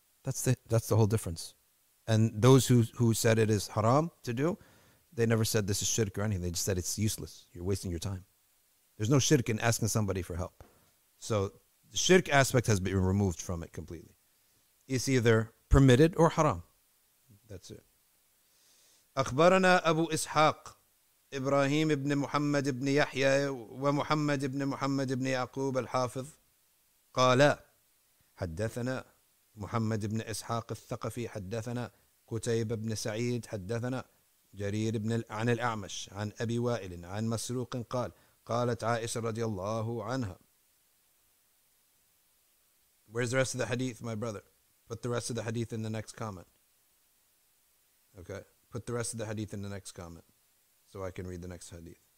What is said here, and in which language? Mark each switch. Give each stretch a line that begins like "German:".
English: That's the whole difference. And those who said it is haram to do, they never said this is shirk or anything. They just said it's useless. You're wasting your time. There's no shirk in asking somebody for help. So the shirk aspect has been removed from it completely. It's either permitted or haram. That's it.
Arabic: أخبرنا أبو إسحاق إبراهيم بن محمد بن يحيى ومحمد بن محمد بن يعقوب الحافظ قال حدثنا محمد بن إسحاق الثقفي حدثنا قتيبة بن سعيد حدثنا جرير بن عن الأعمش عن أبي وائل عن مسروق قال قالت عائشة رضي الله عنها.
English: Where's the rest of the hadith, my brother? Put the rest of the hadith in the next comment. Okay. Put the rest of the hadith in the next comment so I can read the next hadith.